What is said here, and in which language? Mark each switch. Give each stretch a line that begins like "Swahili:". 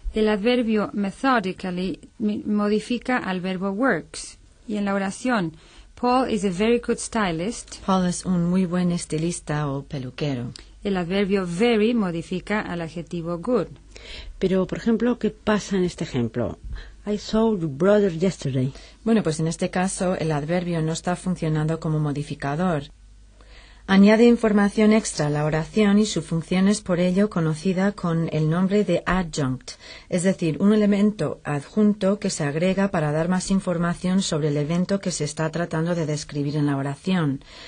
Spanish: el adverbio methodically modifica al verbo works, y en la oración
English: Paul is a very good stylist.
Spanish: Paul es un muy buen estilista o peluquero. El adverbio very modifica al adjetivo good. Pero, por ejemplo, ¿qué pasa en este ejemplo?
English: I saw your brother yesterday.
Spanish: Bueno, pues en este caso el adverbio no está funcionando como modificador. Añade información extra a la oración y su función es por ello conocida con el nombre de adjunct, es decir, un elemento adjunto que se agrega para dar más información sobre el evento que se está tratando de describir en la oración.